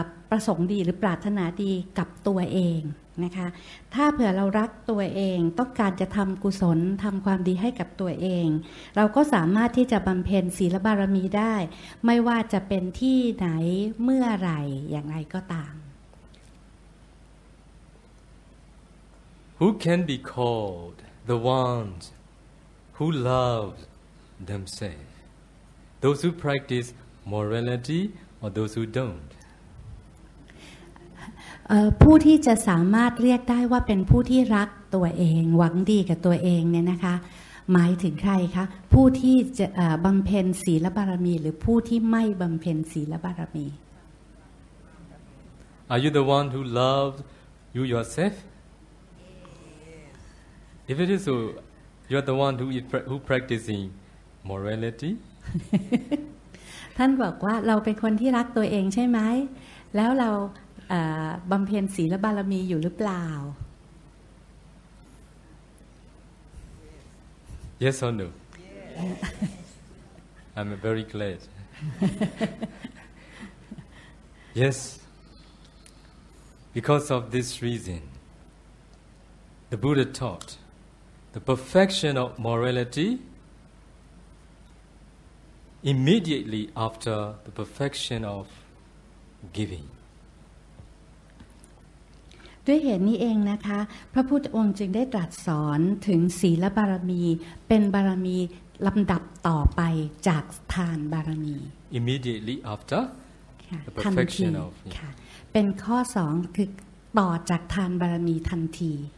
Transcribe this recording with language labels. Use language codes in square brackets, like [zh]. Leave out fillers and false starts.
[th] ประสงค์ดีหรือปรารถนาดีกับตัวเองนะคะถ้าเผื่อเรารักตัวเองต้องการจะทำกุศลทำความดีให้กับตัวเองเราก็สามารถที่จะบำเพ็ญศีลบารมีได้ไม่ว่าจะเป็นที่ไหนเมื่อไรอย่างไรก็ตาม [en] Who can be called the ones who love themselves? Those who practice morality or those who don't? [th] ผู้ที่จะสามารถเรียกได้ว่าเป็นผู้ที่รักตัวเองหวังดีกับตัวเองเนี่ยนะคะหมายถึงใครคะผู้ที่จะบำเพ็ญศีลบารมีหรือผู้ที่ไม่บำเพ็ญศีลบารมี [en] Are you the one who loves you yourself? Yes. If it is so, you are the one who practicing morality. [th] ท่านบอกว่าเราเป็นคนที่รักตัวเองใช่ไหมแล้วเราบำเพ็ญศีลบารมีอยู่หรือเปล่า [en] Yes or no yes. I'm very glad Yes Because of this reason The Buddha taught The perfection of morality Immediately after the perfection of giving [th] ด้วยเหตุนี้เองนะคะพระพุทธองค์จึงได้ตรัสสอนถึงศีลบารมีเป็นบารมีลำดับต่อไปจากทานบารมี [en] immediately after the perfection of [th] เป็นข้อ2คือต่อจากทานบารมีทันที